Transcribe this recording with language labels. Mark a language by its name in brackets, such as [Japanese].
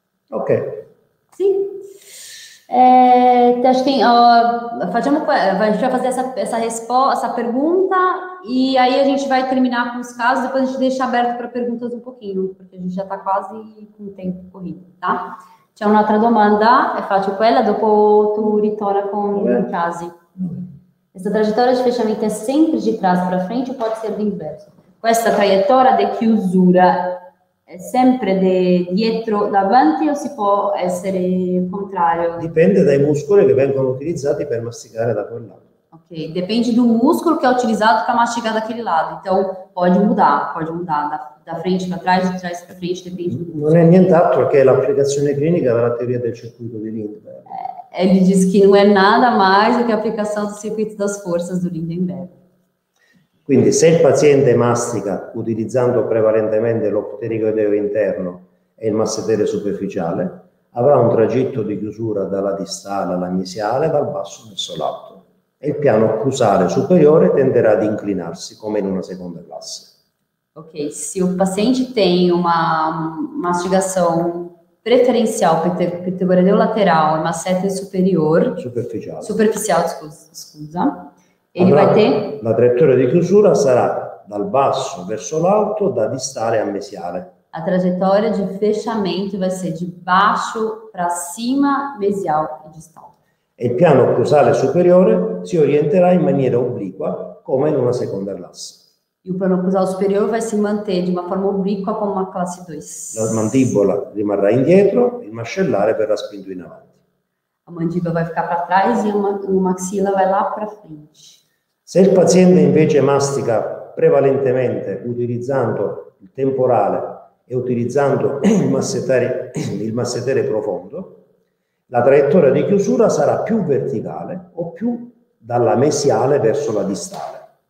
[Italian] Ok. Sì. [Portuguese] Acho que, a gente vai fazer essa pergunta e aí a gente vai terminar com os casos, depois a gente deixa aberto para perguntas um pouquinho, porque a gente já está quase com o tempo corrido, tá? [Italian] C'è un'altra domanda, e faccio quella, dopo tu ritorna con i casi. Questa traiettoria di fechamento è sempre [Portuguese] di trás para frente [Italian] o può essere l'inverso? Questa traiettoria di chiusura è sempre dietro davanti o si può essere contrario? Dipende dai muscoli che vengono utilizzati per masticare da quel lato. Ok, dipende dal muscolo che è utilizzato per masticare da quel lato, [Portuguese] então [Italian] può mudare. [Portuguese] Da frente para trás, da trás para frente, depende. [Italian] Non è nient'altro che l'applicazione clinica della teoria del circuito di Lindenberg. [Portuguese] Ele diz que não é nada mais do que a aplicação do circuito das forças do Lindenberg. [Italian] Quindi, se il paziente mastica utilizzando prevalentemente l'opterigoideo interno e il massetere superficiale, avrà un tragitto di chiusura dalla distale alla mesiale, dal basso verso l'alto. E il piano occlusale superiore tenderà ad inclinarsi, come in una seconda classe. [Portuguese] Ok, se o paciente tem uma mastigação preferencial pterigoideo lateral e massete superior, superficial, ele vai ter... [Italian] La traiettoria di chiusura sarà dal basso verso l'alto, da distale a mesiale. [Portuguese] A traiettoria di fechamento vai ser di basso para cima, mesial e distale. [Italian] E il piano occlusale superiore si orienterà in maniera obliqua, come in una seconda classe. [Portuguese] E o plano occlusale superiore vai se manter de uma forma obliqua como uma classe 2. [Italian] La mandibola rimarrà indietro, il mascellare verrà spinto in avanti. [Portuguese] A mandibola vai ficar para trás e o maxila vai lá para frente. [Italian] Se il paziente invece mastica prevalentemente utilizzando il temporale e utilizzando il massetere profondo, la traiettoria di chiusura sarà più verticale o più dalla mesiale verso la distale.